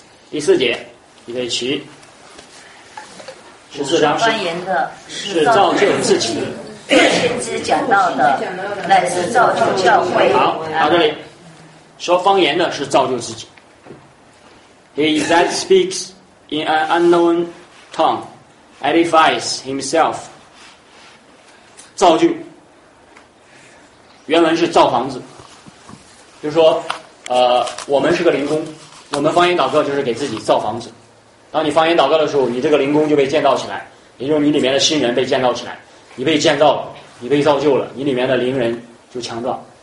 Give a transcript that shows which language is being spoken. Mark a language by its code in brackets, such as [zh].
[zh] 第四节，预备起。十四章方言的是造就自己，先知讲到的乃是造就教会。好，到这里说方言的是造就自己， [en] He that speaks in an unknown tongue edifies himself. [zh] 造就，原文是造房子，就是说我们是个灵工，我们方言祷告就是给自己造房子。当你方言祷告的时候，你这个灵工就被建造起来，也就是你里面的新人被建造起来，你被建造了，你被造就了，你里面的灵人就强壮。